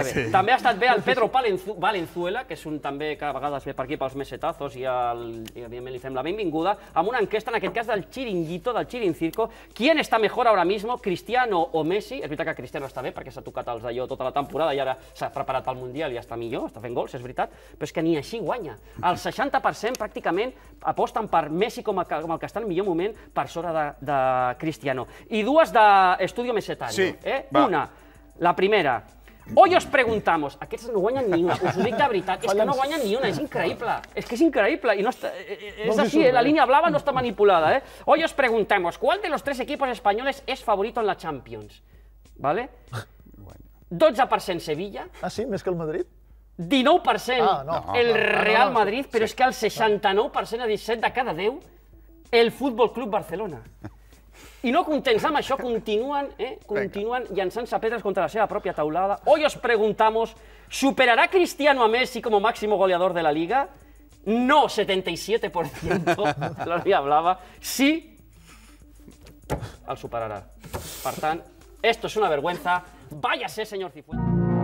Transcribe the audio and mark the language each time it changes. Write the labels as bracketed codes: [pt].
[ca] També ha estat bé el Pedro Valenzuela, que és un també que a vegades ve per aquí pels mesetazos, i evidentment li fem la benvinguda, amb una enquesta, en aquest cas del Chiringuito, del Chirincirco. [es] ¿Quién está mejor ahora mismo, Cristiano o Messi? [ca] És veritat que Cristiano està bé, perquè s'ha tocat els d'allò tota la temporada i ara s'ha preparat pel Mundial i està millor, està fent gols, és veritat. Però és que ni així guanya. El 60% pràcticament aposten per Messi com el que està en millor moment per sobre de Cristiano. I dues d'Estudio Mesetario. Sí, una, la primera. [es] Hoy os preguntamos, [ca] aquests no guanyen ni una, us ho dic de veritat, és que no guanyen ni una, és increïble. És que és increïble, i no està, és així, la línia blava no està manipulada. [es] Hoy os preguntamos, ¿cuál de los tres equipos españoles es favorito en la Champions? ¿Vale? 12% Sevilla. [ca] Ah, sí? Més que el Madrid? 19% el Real Madrid, però és que el 69% de 17 de cada 10, el Futbol Club Barcelona. I no contents amb això, continuen llançant-se pedres contra la seva pròpia taulada. [es] Hoy os preguntamos, ¿superará Cristiano a Messi como máximo goleador de la Liga? No, 77%, la Liga hablaba, [ca] sí, el superarà. Per tant, [es] esto es una vergüenza, váyase, señor Cifuentes.